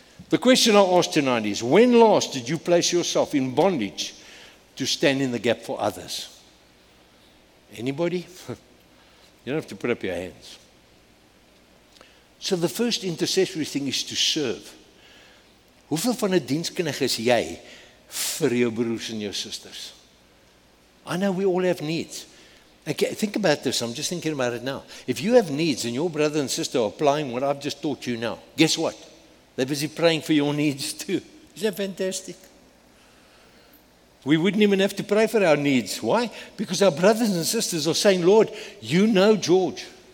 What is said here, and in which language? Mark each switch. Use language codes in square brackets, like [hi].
[en] The question I ask tonight is, when last did you place yourself in bondage to stand in the gap for others? Anybody? You don't have to put up your hands. So the first intercessory thing is to serve. [af] Hoeveel van 'n dienskneg is jy vir jou broers en jou sisters? [en] I know we all have needs. Okay, think about this. I'm just thinking about it now. If you have needs and your brother and sister are applying what I've just taught you now, guess what? They're busy praying for your needs too. Isn't that fantastic? We wouldn't even have to pray for our needs. Why? Because our brothers and sisters are saying, Lord, you know George.